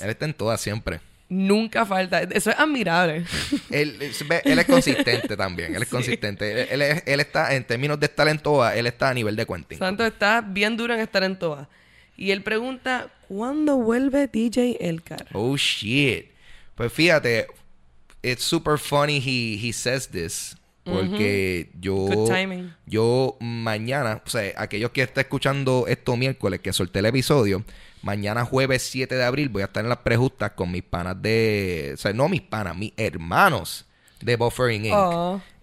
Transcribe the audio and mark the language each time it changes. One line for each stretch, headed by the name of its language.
Spanish: Él está en todas siempre. Nunca falta. Eso es admirable. Él es consistente también. Él es consistente. Él está, en términos de estar en toa, él está a nivel de Quentin. Santo está bien duro en estar en toa. Y él pregunta, ¿cuándo vuelve DJ Elcar?
English: Oh, shit.
Spanish: Pues fíjate,
English: it's super funny he says this.
Spanish: Porque yo mañana, o sea, aquellos que estén escuchando esto miércoles, que solté el episodio, mañana jueves 7 de abril voy a estar en las prejustas con mis panas de, o sea, no mis panas, mis hermanos de Buffering Inc.